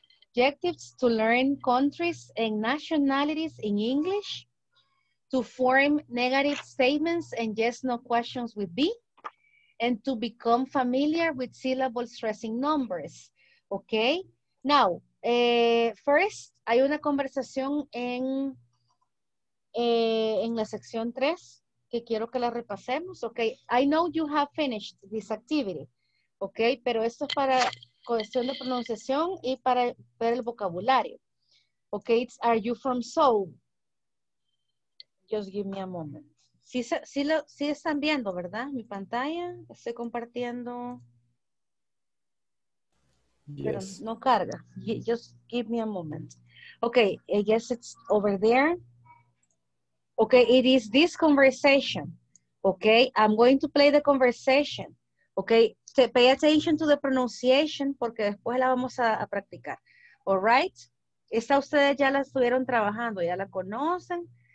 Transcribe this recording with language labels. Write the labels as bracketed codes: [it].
[en] Objectives to learn countries and nationalities in English, to form negative statements and yes/no questions with B. And to become familiar with syllable stressing numbers. Okay? Now, first, [es] hay una conversación en la sección 3 que quiero que la repasemos. Okay? [en] I know you have finished this activity. Okay? [es] Pero esto es para cuestión de pronunciación y para ver el vocabulario. [en] Okay? It's are you from Seoul? Just give me a moment. [es] Sí, están viendo, ¿verdad? Mi pantalla, estoy compartiendo. [en] Yes. [es] Pero no carga. [en] Just give me a moment. Okay, I guess it's over there. Okay, it is this conversation. Okay, I'm going to play the conversation. Okay, so pay attention to the pronunciation [es] porque después la vamos a practicar. [en] All right, [es] esta ustedes ya la estuvieron trabajando, ya la conocen.